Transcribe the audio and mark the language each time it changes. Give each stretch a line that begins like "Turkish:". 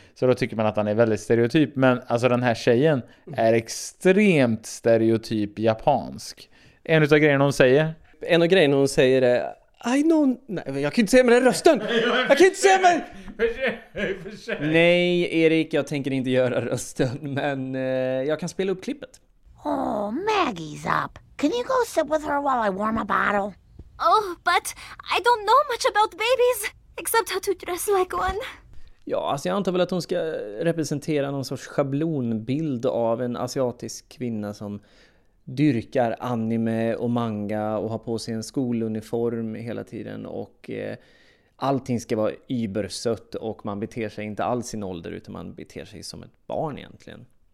Swedish: Så då tycker man att han är väldigt stereotyp. Men alltså den här tjejen är extremt stereotyp japansk. En av grejerna hon säger. En av grejerna hon säger är
English: I know.
Swedish: Nej, jag kan inte säga med den rösten. Jag kan inte säga med. Nej, Erik, jag tänker inte göra rösten. Men jag kan spela upp klippet.
English: Oh, Maggie's up. Can you go sit with her while I warm a bottle? Oh, but I don't know much about babies, except how to dress like one.
Swedish: Ja, alltså jag antar väl att hon ska representera någon sorts schablonbild av en asiatisk kvinna som dyrkar anime och manga och har på sig en skoluniform hela tiden och allting ska vara ybersött och man beter sig inte alls i sin ålder utan man beter sig som ett barn egentligen.